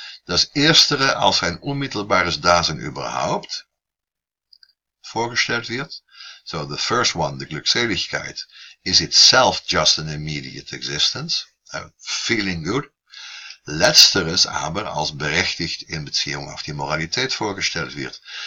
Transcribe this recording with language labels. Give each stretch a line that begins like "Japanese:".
German: Das Erstere als ein unmittelbares Dasein überhaupt vorgestellt wird.
English: So the first one, the Glückseligkeit, is itself just an immediate existence, feeling good.
German: Letzteres aber als berechtigt in Beziehung auf die Moralität vorgestellt wird.